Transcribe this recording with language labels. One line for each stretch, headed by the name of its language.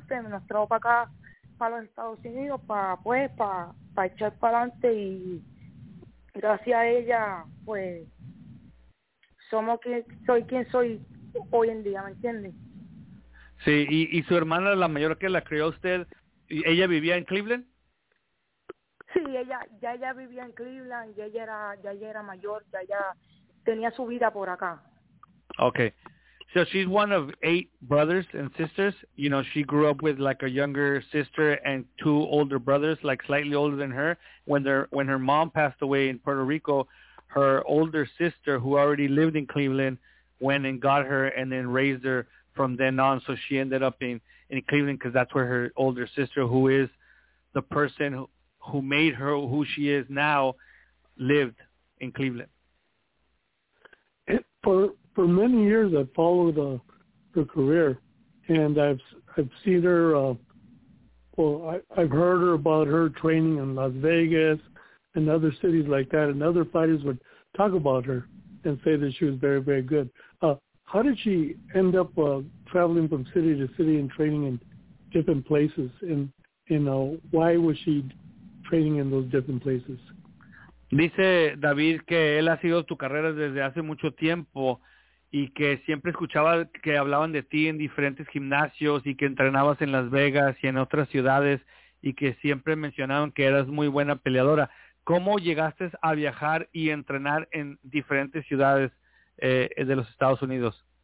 Spanish: nos trajo para acá, para los Estados Unidos, para echar para adelante, y gracias a ella, pues, soy quien soy hoy en día, ¿me entiendes? Sí, y su hermana, la mayor que la crió usted, ¿ella vivía en Cleveland? Sí, ella vivía en Cleveland, y ella era mayor, ya ella tenía su vida por acá.
English: Okay. So she's one of 8 brothers and sisters. You know, she grew up with like a younger sister and 2 older brothers, like slightly older than her. When her mom passed away in Puerto Rico, her older sister, who already lived in Cleveland, went and got her and then raised her from then on. So she ended up in Cleveland because that's where her older sister, who is the person who made her who she is now, lived in Cleveland. For many years, I've followed her career, and I've seen her. I've heard her about her training in Las Vegas and other cities like that, and other fighters would talk about her and say that she was very, very good. How did she end up traveling from city to city and training in different places? And why was she training in those different places?
Spanish: Dice David que él ha sido tu carrera desde hace mucho tiempo. Y que siempre escuchaba que hablaban de ti en diferentes gimnasios y que entrenabas en Las Vegas y en otras ciudades y que siempre mencionaban que eras muy buena peleadora. ¿Cómo llegaste a viajar y entrenar en diferentes ciudades de los Estados Unidos?